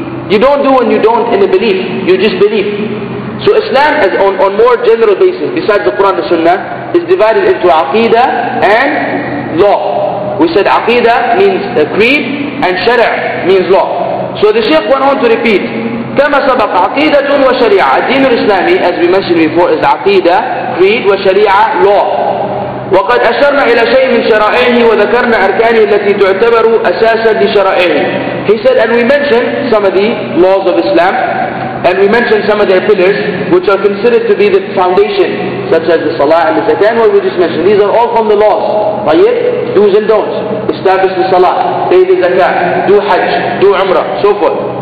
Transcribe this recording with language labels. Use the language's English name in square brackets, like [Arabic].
[English] You don't do and you don't in a belief. You just believe. So Islam, as on more general basis, besides the Quran and the Sunnah, is divided into aqidah and law. We said aqidah means a creed and shari'ah means law. So the Shaykh went on to repeat, [Arabic] كما سبق عقيدة وشريعة. الدين الإسلامي, [English] as we mentioned before, is عقيدة, creed, وشريعة, law. [Arabic] وقد أشرنا إلى شيء من شرائعه وذكرنا أركانه التي تعتبر أساسا لشرائعه. [English] He said, and we mentioned some of the laws of Islam, and we mentioned some of their pillars, which are considered to be the foundation, such as the Salah and the Zakah, what we just mentioned. These are all from the laws. طيب, do's and don'ts. Establish the Salah, pay the Zakah, do Hajj, do Umrah, so forth.